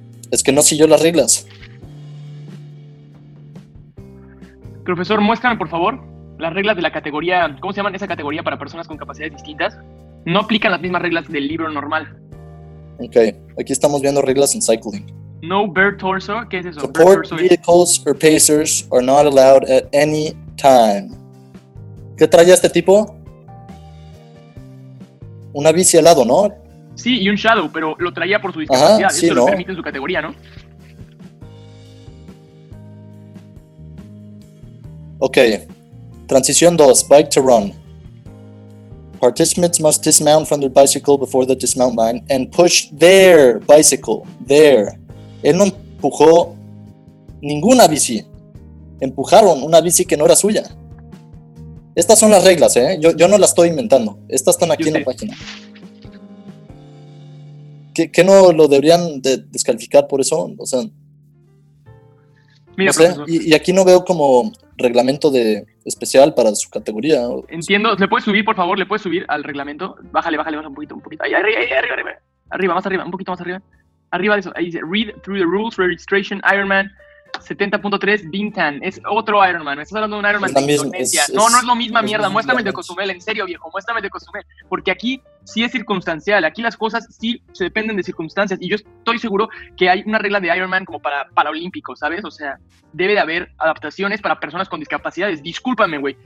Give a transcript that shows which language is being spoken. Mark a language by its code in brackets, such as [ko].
[es] Es que no siguió las reglas. Profesor, muéstrame por favor las reglas de la categoría, ¿cómo se llaman esa categoría para personas con capacidades distintas? No aplican las mismas reglas del libro normal. Ok, aquí estamos viendo reglas en cycling. [en] No bare torso, [es] ¿qué es eso? [en] Support vehicles or pacers are not allowed at any time. [es] ¿Qué traía este tipo? Una bici al lado, ¿no? Sí, y un shadow, pero lo traía por su discapacidad. Ajá, sí, eso, ¿no?, lo permite en su categoría, ¿no? Ok. Transición 2, [en] bike to run. Participants must dismount from their bicycle before the dismount line and push their bicycle. There. [es] Él no empujó ninguna bici. Empujaron una bici que no era suya. Estas son las reglas, ¿eh? Yo no las estoy inventando. Estas están aquí en la página. ¿Qué no lo deberían de descalificar por eso? O sea, mira, no sé, y aquí no veo como reglamento de especial para su categoría. Entiendo. ¿Le puedes subir, por favor? ¿Le puedes subir al reglamento? Bájale, un poquito. Ahí, arriba, más arriba, un poquito más arriba. Arriba de eso. Ahí dice, [en] read through the rules, registration, Ironman 70.3, Bintan. [es] Es otro Ironman. Me estás hablando de un Ironman de Indonesia. No es la misma mierda. Muéstrame el de Cozumel, en serio, viejo. Muéstrame el de Cozumel. Porque aquí sí es circunstancial. Aquí las cosas sí se dependen de circunstancias. Y yo estoy seguro que hay una regla de Ironman como para paralímpicos, ¿sabes? O sea, debe de haber adaptaciones para personas con discapacidades. Discúlpame, güey.